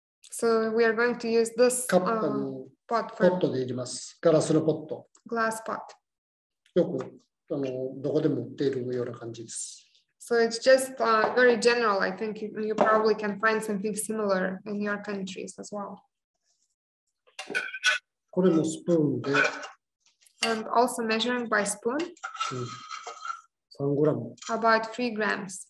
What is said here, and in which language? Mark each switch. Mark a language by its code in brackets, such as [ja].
[en] So we are going to use this pot [ja] for ポットで入れます ガラスのポット [en] Glass pot [ja] よくどこでも売っているような感じです [en] So it's just very general. I think you probably can find something similar in your countries as well. [ja] これもスプーンで [en] And also measuring by spoon. 3g. About 3g.